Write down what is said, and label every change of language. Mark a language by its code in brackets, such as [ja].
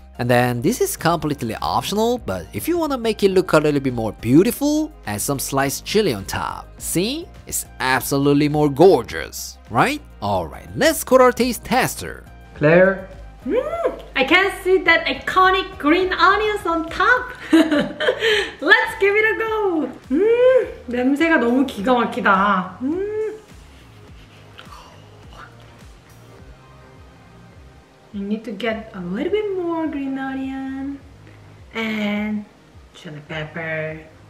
[en] And then, this is completely optional, but if you want to make it look a little bit more beautiful, add some sliced chili on top. See? It's absolutely more gorgeous, right? Alright, let's call our taste tester. Claire? I can see that iconic green onions on top. Let's give it a go. [ko] 냄새가 너무 기가 막히다. [en] You need to get a little bit more green onion and chili pepper.